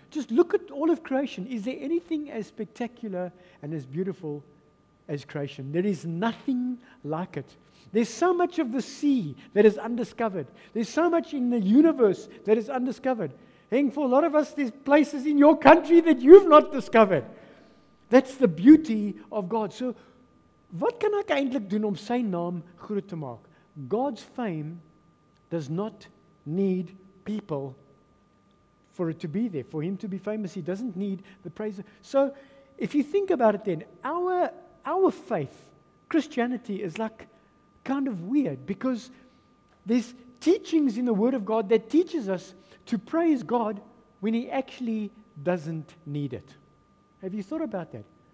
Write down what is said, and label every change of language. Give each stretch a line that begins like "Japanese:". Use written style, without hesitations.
English: Just look at all of creation. Is there anything as spectacular and as beautiful as creation? There is nothing like it. There's so much of the sea that is undiscovered. There's so much in the universe that is undiscovered. And for a lot of us, there's places in your country that you've not discovered. That's the beauty of God.
Afrikaans: So, wat kan ek eintlik doen om sy naam groot te maak?
English: God's fame does not need people for it to be there. For him to be famous, he doesn't need the praise. So, if you think about it then, our faith, Christianity, is like kind of weird because there's teachings in the Word of God that teaches us to praise God when he actually doesn't need it. Have you thought about that?